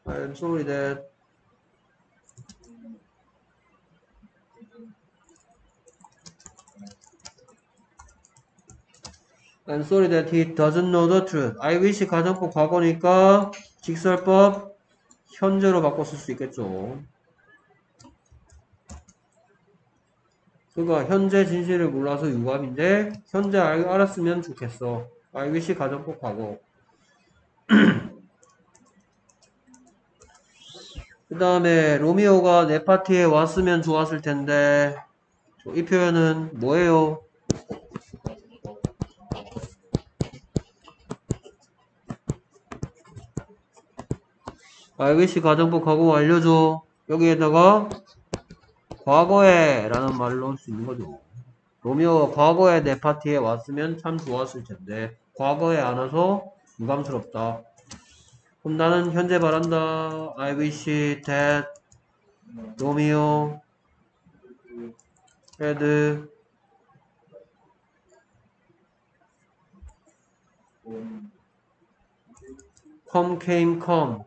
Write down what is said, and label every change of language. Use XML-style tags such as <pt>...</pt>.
<en>I'm sorry that I'm sorry that he doesn't know the truth. I wish</en> <ko>가정법 과거니까 직설법 현재로 바꿨을 수 있겠죠. 그가 현재 진실을 몰라서 유감인데 현재 알았으면 좋겠어.</ko> <en>I wish</en> <ko>가정법 과거. 그다음에 로미오가 내 파티에 왔으면 좋았을 텐데 이 표현은 뭐예요? 아이비씨 가정법 과거 완료죠. 여기에다가 과거에라는 말로 할수 있는 거죠. 로미오 과거에 내 파티에 왔으면 참 좋았을 텐데 과거에 안 와서 유감스럽다. 그럼 나는 현재 바란다.</ko> <en>I wish that Romeo had Come came come.</en>